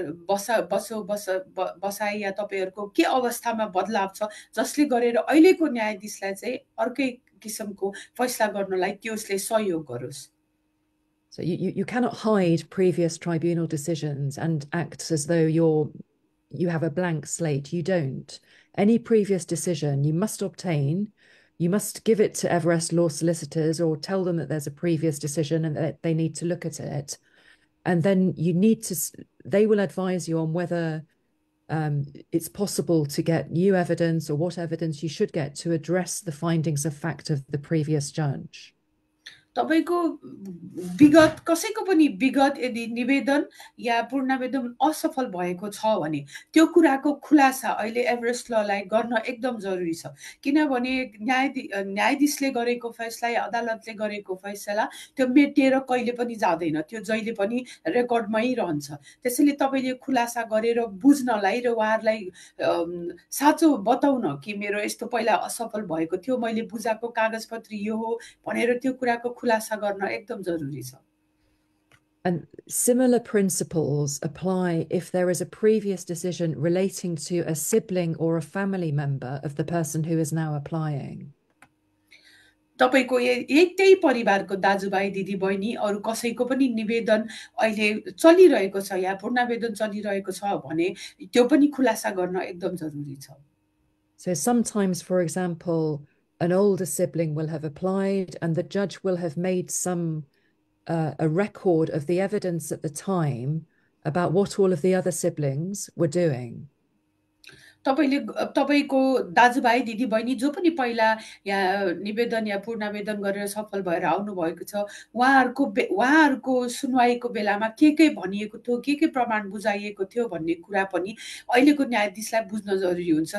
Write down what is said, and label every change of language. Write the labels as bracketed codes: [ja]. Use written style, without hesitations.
[ne] बसाइ या तपाईँहरूको के अवस्थामा बदलाव छ जसले गरेर अहिलेको न्यायाधीशलाई चाहिँ अर्कै किसिमको फैसला गर्नलाई त्यो उसले सहयोग गरोस्। [en] So you cannot hide previous tribunal decisions and act as though you have a blank slate. You don't. Any previous decision you must obtain, you must give it to Everest Law solicitors or tell them that there's a previous decision and that they need to look at it. And then you need to, they will advise you on whether it's possible to get new evidence or what evidence you should get to address the findings of fact of the previous judge. [ne] तपाईँको विगत कसैको पनि विगत यदि निवेदन या पूर्णावेदन असफल भएको छ भने त्यो कुराको खुलासा अहिले एभरेस्ट ललाई गर्न एकदम जरुरी छ, किनभने न्यायाधीशले गरेको फैसला या अदालतले गरेको फैसला त्यो मेटिएर कहिले पनि जाँदैन, त्यो जहिले पनि रेकर्डमै रहन्छ। त्यसैले तपाईँले खुलासा गरेर बुझ्नलाई र उहाँहरूलाई साँचो बताउन कि मेरो यस्तो पहिला असफल भएको थियो, मैले बुझाएको कागजपत्र यो हो भनेर त्यो कुराको खुलासा गर्न एकदम जरुरी छ। [en] And similar principles apply if there is a previous decision relating to a sibling or a family member of the person who is now applying. [ne] तपाईँको यतै परिवारको दाजुभाइ दिदीबहिनी अरू कसैको पनि निवेदन अहिले चलिरहेको छ या पूर्णावेदन चलिरहेको छ भने त्यो पनि खुलासा गर्न एकदम जरुरी छ। [en] So sometimes, for example, an older sibling will have applied and the judge will have made some a record of the evidence at the time about what all of the other siblings were doing. [ne] तपाईँले तपाईँको दाजुभाइ दिदीबहिनी जो पनि पहिला या निवेदन या पूर्णावेदन गरेर सफल भएर आउनुभएको छ उहाँहरूको उहाँहरूको सुनवाईको बेलामा के भनिएको थियो, के प्रमाण बुझाइएको थियो भन्ने कुरा पनि अहिलेको न्यायाधीशलाई बुझ्न जरुरी हुन्छ।